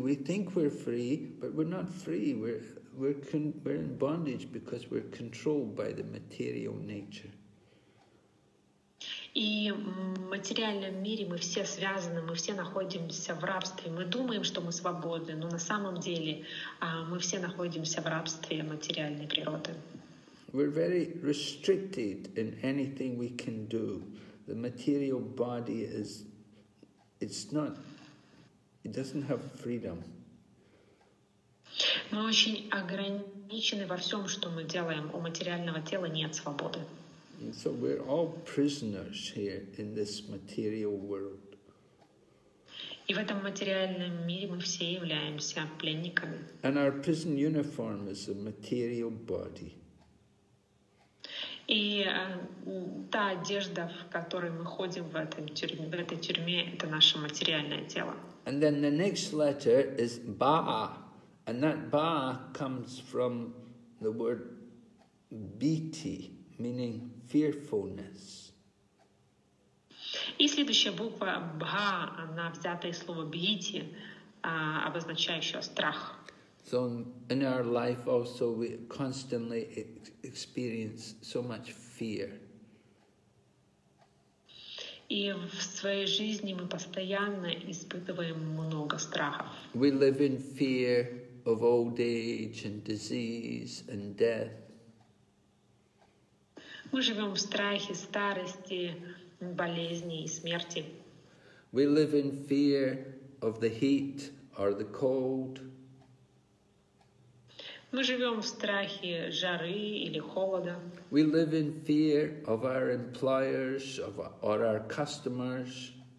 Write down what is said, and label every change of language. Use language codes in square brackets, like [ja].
[en] We think we're free, but we're not free. We're in bondage because we're controlled by the material nature. [ru] И в материальном мире мы все связаны, мы все находимся в рабстве. Мы думаем, что мы свободны, но на самом деле мы все находимся в рабстве материальной природы. [en] We're very restricted in anything we can do. The material body is, it's not, it doesn't have freedom. [ru] Мы очень ограничены во всем, что мы делаем. У материального тела нет свободы. [en] And so we're all prisoners here in this material world. [ru] И в этом материальном мире мы все являемся пленниками. [en] And our prison uniform is a material body. [ru] И та одежда, в которой мы ходим в этой тюрьме, это наше материальное тело. [en] And then the next letter is ba, and that ba comes from the word biti, meaning fearfulness. [ru] И следующая буква ба, она взята из слова бити, обозначающего страх. [en] So in our life also we constantly experience so much fear. [ru] И в своей жизни мы постоянно испытываем много страхов. [en] We live in fear of old age and disease and death. [ru] Мы живем в страхе старости, болезни и смерти. [en] We live in fear of the heat or the cold. [ru] Мы живем в страхе жары или холода. [en] We live in fear of our employers or our customers.